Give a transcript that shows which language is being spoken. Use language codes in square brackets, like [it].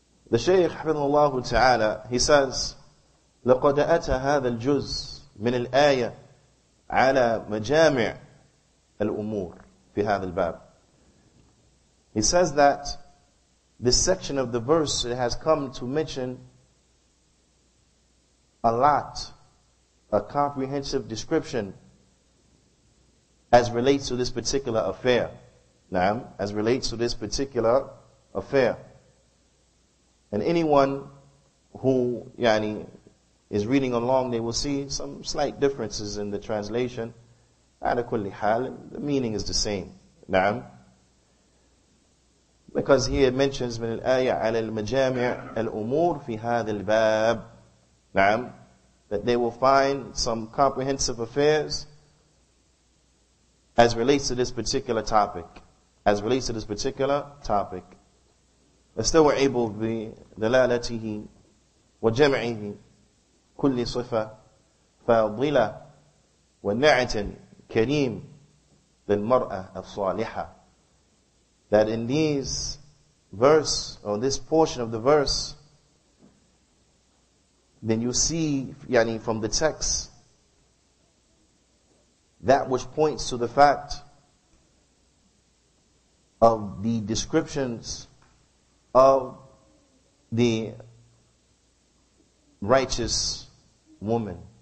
[en] The Shaykh, hafidhahullah ta'ala, he says, [ar] لَقَدْ أَتَى هَذَا الْجُزْ مِنَ الْآيَةِ على مجامع الأمور في هذا الباب. [en] He says that this section of the verse, it has come to mention a lot, a comprehensive description as relates to this particular affair. Naam, as relates to this particular affair. And anyone who, yani, is reading along, they will see some slight differences in the translation. [ar] Ala kulli hal, [en] the meaning is the same. Naam. Because he mentions [ar] من الآية على المجامع الأمور في هذا الباب. نعم. [en] That they will find some comprehensive affairs as relates to this particular topic. As relates to this particular topic. [ar] استوعبوا بدلالته وجمعه كل صفة فضلة ونعت كريم للمرأة الصالحة. [en] That in these verse, or this portion of the verse, then you see, yani from the text, that which points to the fact of the descriptions of the righteous woman.